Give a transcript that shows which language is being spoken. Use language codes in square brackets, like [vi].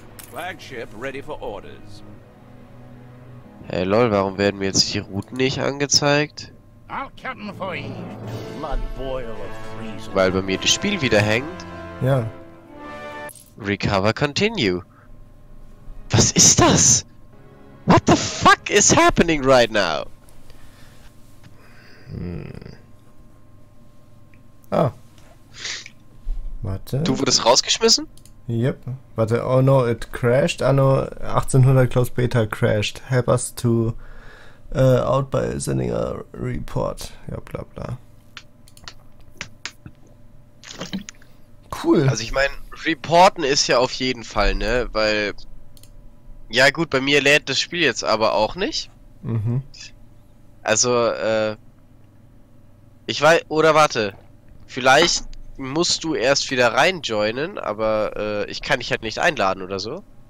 [en] Flagship ready for orders. [de] Hey lol, warum werden mir jetzt die Routen nicht angezeigt? Weil bei mir das Spiel wieder hängt. Ja. [en] Recover, continue. [de] Was ist das? [en] What the fuck is happening right now? [de] Ah. Warte. Du wurdest rausgeschmissen? [en] Yep. [de] Warte, [en] oh no, it crashed. Anno 1800 Close Beta crashed. Help us to out by sending a report. [de] Ja, bla bla. Cool. Also ich meine, reporten ist ja auf jeden Fall, ne? Weil, ja gut, bei mir lädt das Spiel jetzt aber auch nicht. Mhm. Also, ich weiß, oder warte, vielleicht musst du erst wieder reinjoinen, aber ich kann dich halt nicht einladen oder so.